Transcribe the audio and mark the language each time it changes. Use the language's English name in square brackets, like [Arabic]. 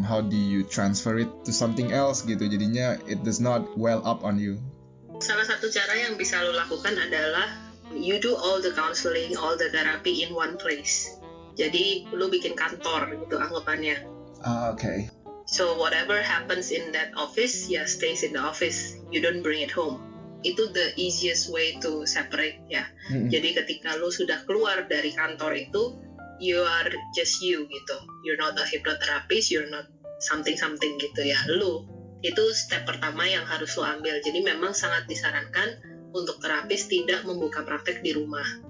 [English] How do you transfer it to something else gitu, jadinya it does not well up on you? [Indonesian] Salah satu cara yang bisa lu lakukan adalah you do all the counseling, all the therapy in one place. Jadi lu bikin kantor gitu anggapannya. [English] Okay. So whatever happens in that office, ya yeah, stays in the office. You don't bring it home. Itu the easiest way to separate, ya. Yeah. Mm-hmm. [Indonesian] Jadi ketika lu sudah keluar dari kantor itu, you are just you gitu. [English] You're not a hypnotherapist, you're not something-something gitu ya. [Indonesian] Lu, itu step pertama yang harus lu ambil. Jadi memang sangat disarankan untuk terapis tidak membuka praktek di rumah.